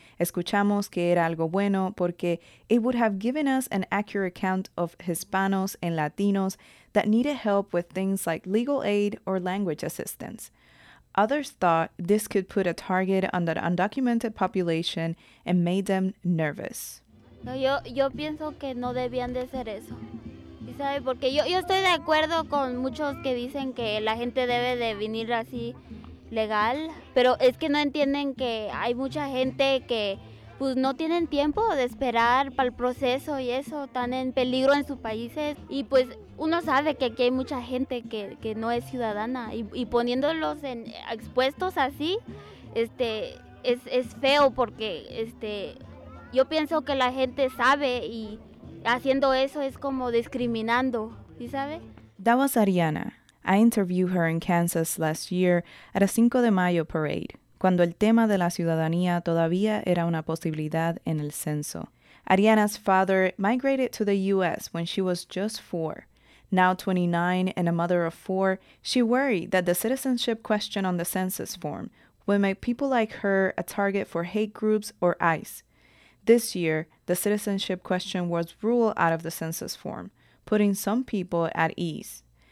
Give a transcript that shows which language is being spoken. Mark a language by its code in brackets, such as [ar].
[es] Escuchamos que era algo bueno porque [en] it would have given us an accurate count of Hispanos and Latinos that needed help with things like legal aid or language assistance. Others thought this could put a target on the undocumented population and made them nervous. [es] Yo pienso que no debían de hacer eso. ¿Y sabe? Porque yo estoy de acuerdo con muchos que dicen que la gente debe de venir así legal, pero es que no entienden que hay mucha gente que pues no tienen tiempo de esperar para el proceso y eso, están en peligro en sus países. Y pues uno sabe que aquí hay mucha gente que no es ciudadana y poniéndolos en expuestos así, es feo porque yo pienso que la gente sabe y haciendo eso es como discriminando, ¿sí sabe? [en] That was Ariana. I interviewed her in Kansas last year at a Cinco de Mayo parade, [es] cuando el tema de la ciudadanía todavía era una posibilidad en el censo. [en] Ariana's father migrated to the U.S. when she was just 4. Now 29 and a mother of 4, she worried that the citizenship question on the census form would make people like her a target for hate groups or ICE. This year, the citizenship question was ruled out of the census form, putting some people at ease.